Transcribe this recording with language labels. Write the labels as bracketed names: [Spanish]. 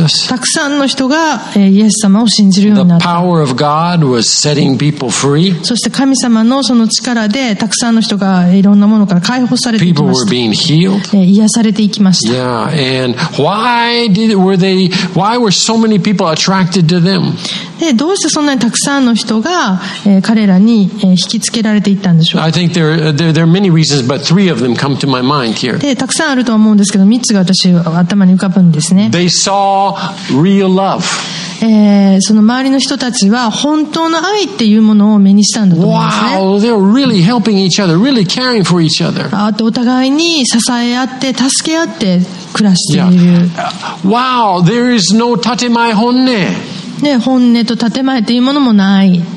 [Japanese] たくさんの人がイエス様を信じるようになった。 [English] The power of God was setting people free. [Japanese] そして神様のその力でたくさんの人がいろんなものから解放されていきました。 [English] People were being healed. [Japanese] 癒されていきました。 [English] Yeah. And why were so many people attracted to them? [Japanese] でどうしてそんなにたくさんの人が、彼らに、引きつけられていったんでしょうか。 [English] I think there are many reasons, but three of them come to my mind here. [Japanese] でたくさんあると思うんですけど、3つが私頭に浮かぶんですね。 [English] They saw real love. [Japanese] その周りの人たちは本当の愛っていうものを目にしたんだと思うんですね。 [English] Wow, they're really helping each other, really caring for each other. [Japanese] あとお互いに支え合って助け合って暮らしている。 [English] Yeah. Wow, there is no 建前本音。 [Japanese] ね、本音と建前というものもない。